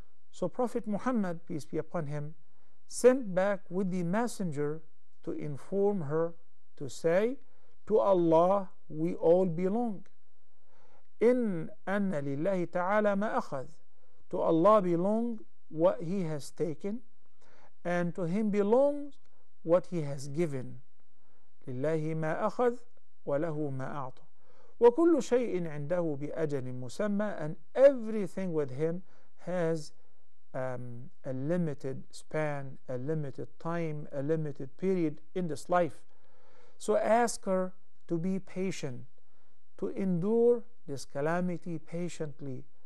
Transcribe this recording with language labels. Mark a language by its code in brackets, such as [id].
[en] So Prophet Muhammad, peace be upon him, sent back with the messenger to inform her to say, to Allah we all belong. [ar] In anna lillahi ta'ala ma akhadh, [en] to Allah belong what he has taken, and to him belongs what he has given. [ar] Lillahi ma akhadh, وَلَهُ مَا أَعْطَى وَكُلُّ شَيْءٍ عِنْدَهُ بِأَجَلٍ مُسَمَّى. [en] And everything with him has a limited span, a limited time, a limited period in this life. So ask her to be patient, to endure this calamity patiently.